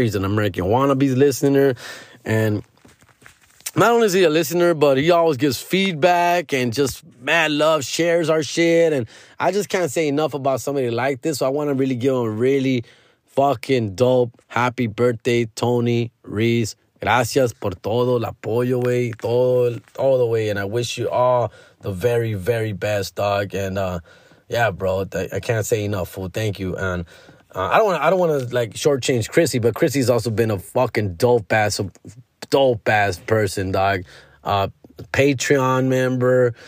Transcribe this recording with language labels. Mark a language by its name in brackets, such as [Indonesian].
[English] He's an American Wannabes listener, and not only is he a listener, but he always gives feedback and just mad love, shares our shit. And I just can't say enough about somebody like this. So I want to really give him a really fucking dope happy birthday, Tony Reese. [Spanish] Gracias por todo el apoyo, wey. [English] Todo the way. And I wish you all the very, very best, dog. And yeah, bro, I can't say enough, fool. Thank you. And I don't want to like shortchange Chrissy, but Chrissy's also been a fucking dope ass. Dope-ass person, dog. Patreon member.